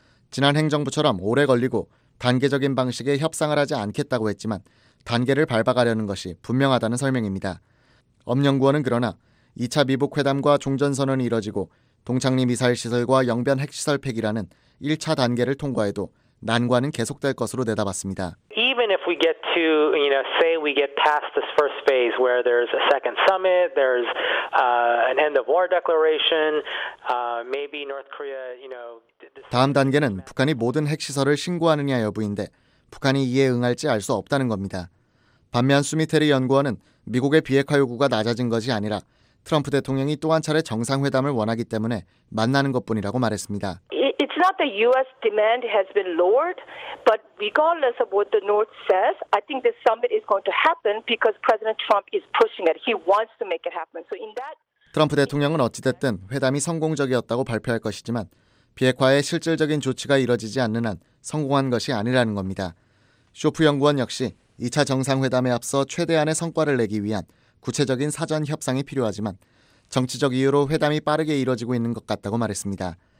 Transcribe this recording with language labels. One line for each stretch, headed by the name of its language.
Korean: 지난 행정부처럼 오래 걸리고 단계적인 방식의 협상을 하지 않겠다고 했지만 단계를 밟아가려는 것이 분명하다는 설명입니다. 엄 연구원은 그러나 2차 미북 회담과 종전선언이 이뤄지고 동창리 미사일 시설과 영변 핵시설 폐기라는 1차 단계를 통과해도 난관은 계속될 것으로 내다봤습니다.
English: Even if we get to, you know, say we get past this first phase where there's a second summit, there's an end of war declaration, maybe North Korea, you know,
Korean: 다음 단계는 북한이 모든 핵시설을 신고하느냐 여부인데 북한이 이에 응할지 알 수 없다는 겁니다. 반면 수미테리 연구원은 미국의 비핵화 요구가 낮아진 것이 아니라 트럼프 대통령이 또 한 차례 정상회담을 원하기 때문에 만나는 것뿐이라고 말했습니다.
English: It's not the U.S. demand has been lowered, but regardless of what the North says, I think the summit is going to happen because President Trump is pushing it. He wants to make it happen. So in that
Korean: 트럼프 대통령은 어찌 됐든 회담이 성공적이었다고 발표할 것이지만 비핵화에 실질적인 조치가 이뤄지지 않는 한 성공한 것이 아니라는 겁니다. 쇼프 연구원 역시 2차 정상회담에 앞서 최대한의 성과를 내기 위한 구체적인 사전 협상이 필요하지만 정치적 이유로 회담이 빠르게 이뤄지고 있는 것 같다고 말했습니다.